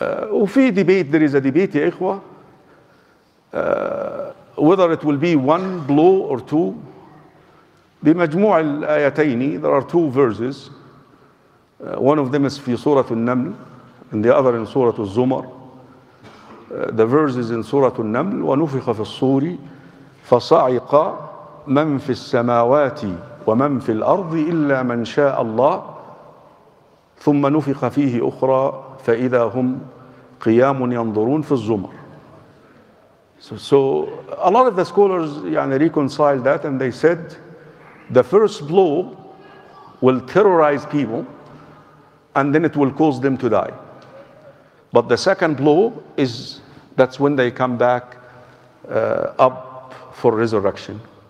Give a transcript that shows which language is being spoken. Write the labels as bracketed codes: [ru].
[ar] وفي [en] debate, there is a debate, [ar] يا إخوة, [en] whether it will be one blow or two. [ar] بمجموع الآيتين, [en] there are two verses. One of them is [ar] في سورة النمل [en] and the other in [ar] سورة الزمر. [en] The verse is in [ar] سورة النمل, ونفخ في الصور فصعق من في السماوات ومن في الأرض إلا من شاء الله ثم نفخ فيه أخرى فإذا هم قيام ينظرون في الزمر. [en] So a lot of the scholars يعني reconciled that, and they said the first blow will terrorize people and then it will cause them to die. But the second blow is, that's when they come back up for resurrection.